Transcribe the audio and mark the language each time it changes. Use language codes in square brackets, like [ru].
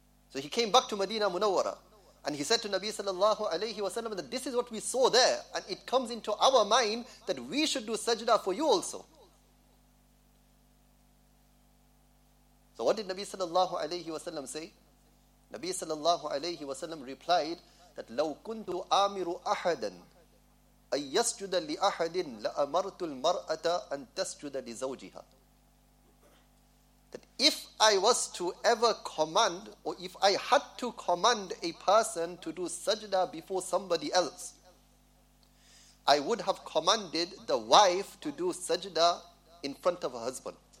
[en] So he came back to Medina Munawwara. And he said to Nabi sallallahu alayhi wa sallam that this is what we saw there. And it comes into our mind that we should do sajda for you also. So what did Nabi sallallahu alayhi wa sallam say? Nabi sallallahu alayhi wa sallam replied that [ar] لو كنت آمر أحدا أن يسجد لأحد لأمرت المرأة أن تسجد لزوجها. [en] That if I was to ever command, or if I had to command a person to do sajda before somebody else, I would have commanded the wife to do sajda in front of her husband.